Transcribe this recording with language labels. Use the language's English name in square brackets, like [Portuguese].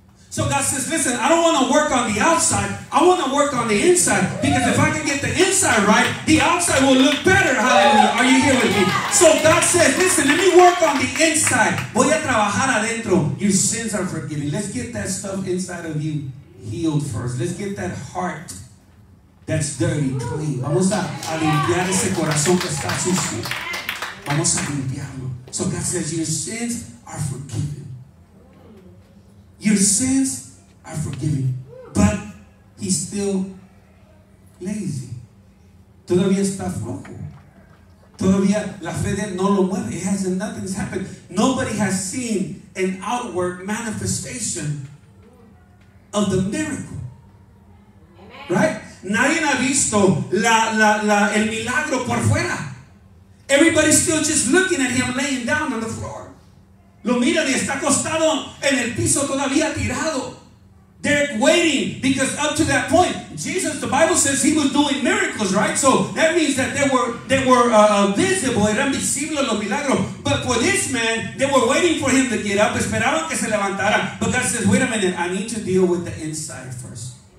[English] So God says, listen, I don't want to work on the outside. I want to work on the inside. Because if I can get the inside right, the outside will look better. Hallelujah. Are you here with me? So God says, listen, let me work on the inside. [Spanish] Voy a trabajar adentro. [English] Your sins are forgiven. Let's get that stuff inside of you healed first. Let's get that heart that's dirty clean. [Spanish] Vamos a limpiar ese corazón que está sucio. Vamos a limpiarlo. [English] So God says, your sins are forgiven. Your sins are forgiven, but he's still lazy. [Spanish] Todavía está flojo. Todavía la fe de él no lo mueve. [English] It hasn't, nothing's happened. Nobody has seen an outward manifestation of the miracle. [Spanish] Right? Nadie ha visto el milagro por fuera. [English] Everybody's still just looking at him laying down on the floor. [Spanish] Lo miran y está acostado en el piso todavía tirado. [English] They're waiting because up to that point, Jesus, the Bible says he was doing miracles, right? So that means that they were visible, [Spanish] eran visibles los milagros. [English] But for this man, they were waiting for him to get up, [Spanish] esperaban que se levantara. [English] But God says, wait a minute, I need to deal with the inside first.